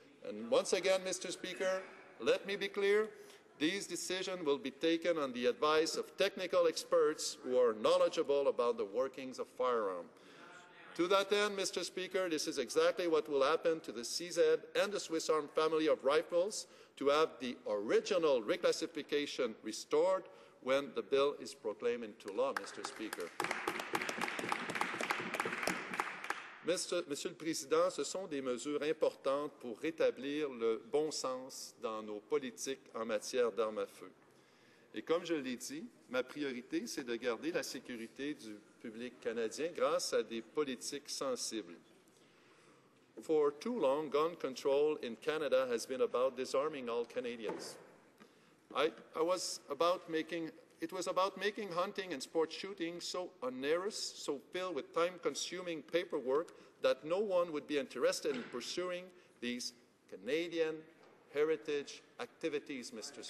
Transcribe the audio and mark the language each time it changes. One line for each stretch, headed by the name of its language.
English: And once again, Mr. Speaker, let me be clear. These decisions will be taken on the advice of technical experts who are knowledgeable about the workings of firearms. To that end, Mr. Speaker, this is exactly what will happen to the CZ and the Swiss Arm family of rifles to have the original reclassification restored when the bill is proclaimed into law, Mr. Speaker.
French: Monsieur le Président, ce sont des mesures importantes pour rétablir le bon sens dans nos politiques en matière d'armes à feu. Et comme je l'ai dit, ma priorité, c'est de garder la sécurité du public canadien grâce à des politiques sensibles.
English: For too long, gun control in Canada has been about disarming all Canadians. It was about making hunting and sport shooting so onerous, so filled with time-consuming paperwork that no one would be interested in pursuing these Canadian heritage activities, Mr.